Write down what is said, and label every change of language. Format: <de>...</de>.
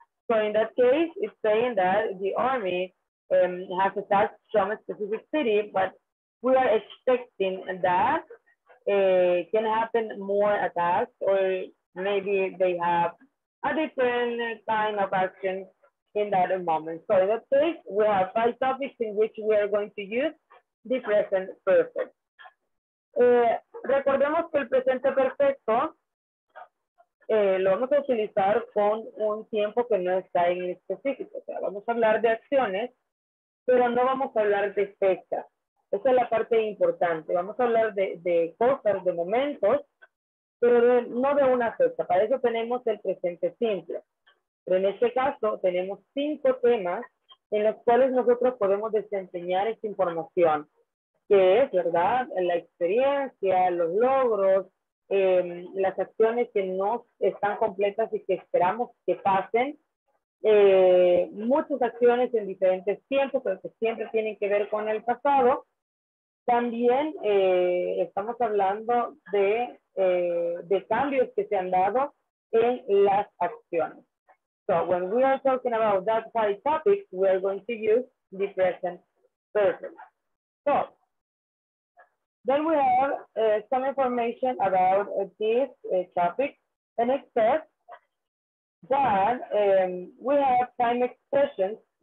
<en>So in that case, it's saying that the army has attacked from a specific city, but we are expecting that can happen more attacks, or maybe they have a different kind of action in that moment. So in that case, we have 5 topics in which we are going to use the present perfect.</en> <es>Recordemos que el presente perfecto lo vamos a utilizar con un tiempo que no está en específico. O sea, vamos a hablar de acciones, pero no vamos a hablar de fechas. Esa es la parte importante. Vamos a hablar de cosas, de momentos, pero no de una fecha. Para eso tenemos el presente simple. Pero en este caso tenemos 5 temas en los cuales nosotros podemos desempeñar esta información, que es, ¿verdad?, la experiencia, los logros, las acciones que no están completas y que esperamos que pasen, muchas acciones en diferentes tiempos, pero que siempre tienen que ver con el pasado. También estamos hablando de cambios que se han dado en las acciones.</es> <en>So when we are talking about that 5 topics, we are going to use the present perfect. So then we have some information about this topic, and it says that we have time expressions.</en>